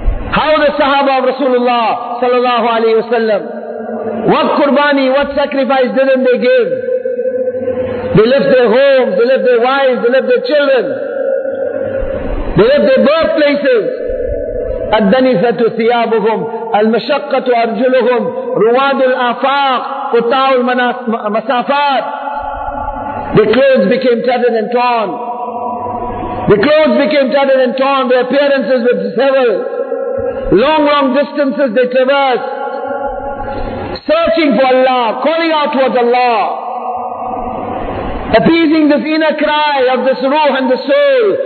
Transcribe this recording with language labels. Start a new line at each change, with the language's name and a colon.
English: How the sahaba of Rasulullah
Arabic: sallallahu alayhi wa sallam,
English: what qurbani, what sacrifice didn't they give? They left their homes, they left their wives, they left their children, they left their birthplaces.
Arabic: الدنيثة ثيابهم المشقة أرجلهم رواد الآفاق قطاع المسافات.
English: The clothes became tattered and torn. The clothes became tattered and torn. Their appearances were disheveled. Long, long distances they traversed. Searching for Allah. Calling out towards Allah. Appeasing this inner cry of this ruh and the soul.